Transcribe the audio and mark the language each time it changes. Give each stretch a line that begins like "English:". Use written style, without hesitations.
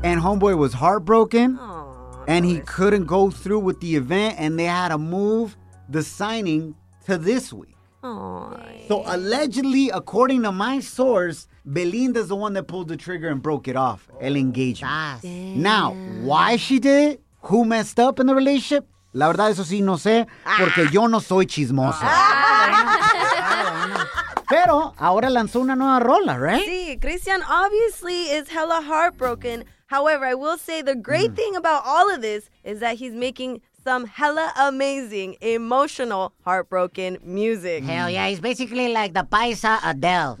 English: And homeboy was heartbroken. He couldn't go through with the event. And they had to move the signing to this week. So allegedly, according to my source, Belinda's the one that pulled the trigger and broke it off. El engagement. Now, why she did it? Who messed up in the relationship?
Spanish: La verdad, eso sí, no sé, porque yo no soy chismoso. Pero ahora lanzó una nueva rola, right?
English: Sí, Cristian obviously is hella heartbroken. However, I will say the great thing about all of this is that he's making some hella amazing, emotional, heartbroken music. Hell yeah, he's basically like the paisa Adele.